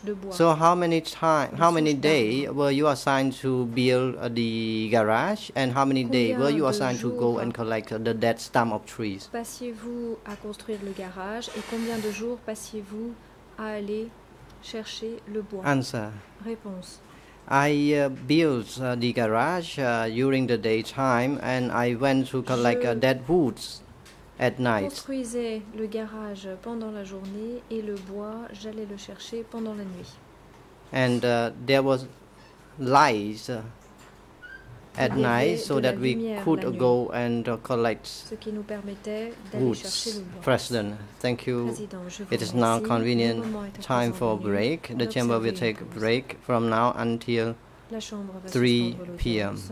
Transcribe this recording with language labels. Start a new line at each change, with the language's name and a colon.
English: So how many days were you assigned to build the garage, and how many days were you assigned to go and collect the dead stump of trees?
French: Passiez-vous à construire le garage et combien de jours passiez-vous à aller chercher le bois?
English: Answer.
French: Réponse.
English: I built the garage during the daytime, and I went to collect dead woods at night.
French: Je construisais le garage pendant la journée, et le bois, j'allais le chercher pendant la nuit.
English: And there was lights at night, so that we could go and collect woods. President, thank you. It is now convenient time for a break. The chamber will take a break from now until 3 p.m.